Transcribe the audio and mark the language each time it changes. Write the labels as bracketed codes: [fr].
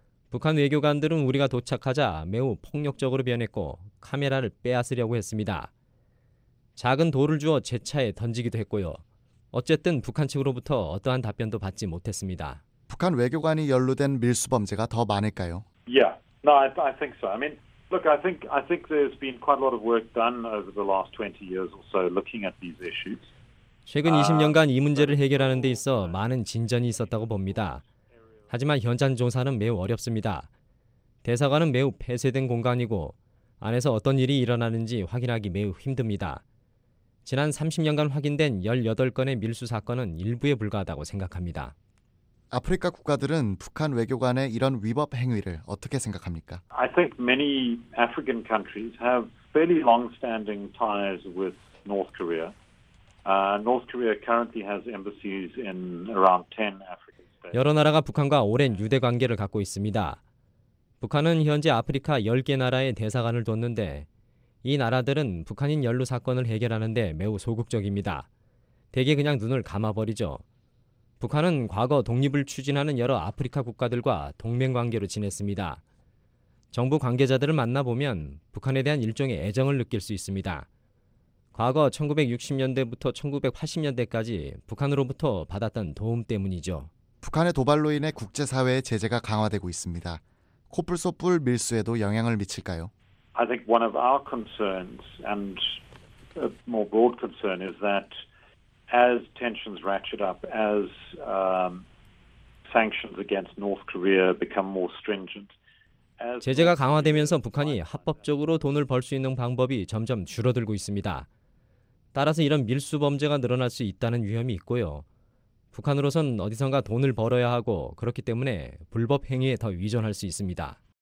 [ko] 북한 외교관들은 우리가 도착하자 매우 폭력적으로 변했고 카메라를 빼앗으려고 했습니다. 작은 돌을 주어 제 차에 던지기도 했고요. 어쨌든 북한 측으로부터 어떠한 답변도 받지 못했습니다. 북한 외교관이 연루된 밀수 범죄가 더 많을까요? [en] Yeah. No, I think so. I mean, look, I think there's been quite a lot of work done over the last 20 years or so looking at these issues. [ko] 최근 20년간 이 문제를 해결하는 데 있어 많은 진전이 있었다고 봅니다. 하지만 현장 조사는 매우 어렵습니다. 대사관은 매우 폐쇄된 공간이고 안에서 어떤 일이 일어나는지 확인하기 매우 힘듭니다. 지난 30년간 확인된 18건의 밀수 사건은 일부에 불과하다고 생각합니다. 아프리카 국가들은 북한 외교관의 이런 위법 행위를 어떻게 생각합니까? [en] I think many African countries have fairly long-standing ties with North Korea. North Korea currently has embassies in around 10 African states. [ko] 여러 나라가 북한과 오랜 유대 관계를 갖고 있습니다. 북한은 현재 아프리카 10개 나라에 대사관을 뒀는데 이 나라들은 북한인 연루 사건을 해결하는 데 매우 소극적입니다. 대개 그냥 눈을 감아버리죠. 북한은 과거 독립을 추진하는 여러 아프리카 국가들과 동맹관계로 지냈습니다. 정부 관계자들을 만나보면 북한에 대한 일종의 애정을 느낄 수 있습니다. 과거 1960년대부터 1980년대까지 북한으로부터 받았던 도움 때문이죠. 북한의 도발로 인해 국제사회의 제재가 강화되고 있습니다. 코뿔소 뿔 밀수에도 영향을 미칠까요? [en] I think one of our concerns and a more broad concern is that as tensions ratchet up, as sanctions against North Korea become more stringent, [ko] as 제재가 강화되면서 북한이 합법적으로 돈을 벌 수 있는 방법이 점점 줄어들고 있습니다. 따라서 이런 밀수 범죄가 늘어날 수 있다는 위험이 있고요. 북한으로선 어디선가 돈을 벌어야 하고 그렇기 때문에 불법 행위에 더 의존할 수 있습니다.